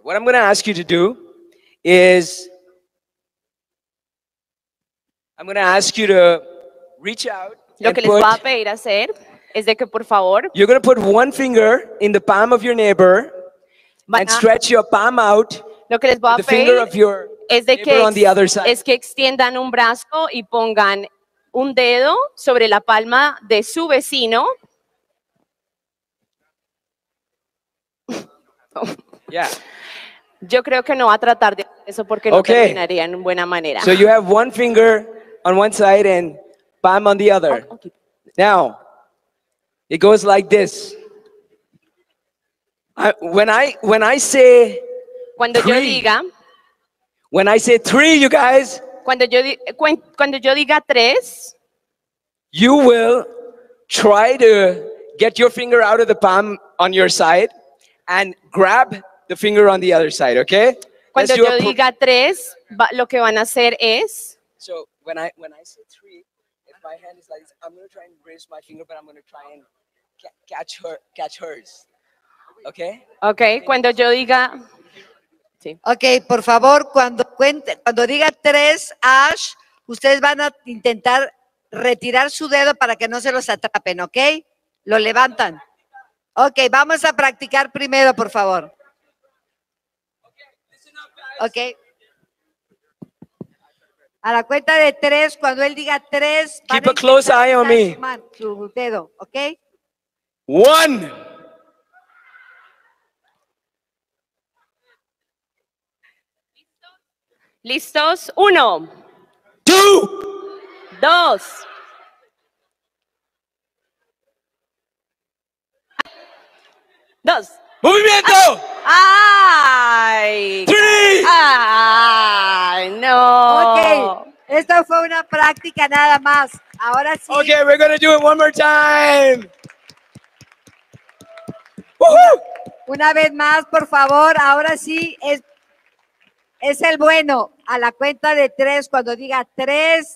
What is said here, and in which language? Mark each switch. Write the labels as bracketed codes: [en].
[en] What I'm gonna ask you to do is... I'm gonna ask you to reach out. [es] Lo que les voy a pedir hacer es de que por favor... [en] You're gonna put one finger in the palm of your neighbor and stretch your palm out. [es] Lo que les voy a pedir es de que, extiendan un brazo y pongan un dedo sobre la palma de su vecino. [en] Yeah. [es] Yo creo que no va a tratar de eso porque no terminaría en buena manera. [en] So you have one finger on one side and palm on the other. Okay. Now, it goes like this. When I say [es] cuando [en] three, [es] yo diga, [en] when I say three, you guys, [es] cuando yo diga tres, [en] you will try to get your finger out of the palm on your side and grab the finger on the other side, okay? [es] Cuando yo diga tres, lo que van a hacer es... [en] So when I say three, if my hand is like this, I'm going to try and raise my finger, but I'm going to try and catch hers, okay? [es] Okay, cuando yo diga... Sí. Ok, por favor, cuando diga tres, Ash, ustedes van a intentar retirar su dedo para que no se los atrapen, ¿ok? Lo levantan. Ok, vamos a practicar primero, por favor. Ok. A la cuenta de tres, cuando él diga tres, [en] van keep a close eye on me. [es] Su dedo, ¿ok? [en] One. [es] ¿Listos? Uno. [en] Two. [es] Dos. Dos. ¡Movimiento! ¡Ay! [en] Three. [es] ¡Ay, no! Ok, esta fue una práctica nada más. Ahora sí. [en] Ok, we're going to do it one more time. [es] Una vez más, por favor, ahora sí es... Es el bueno, a la cuenta de tres, cuando diga tres.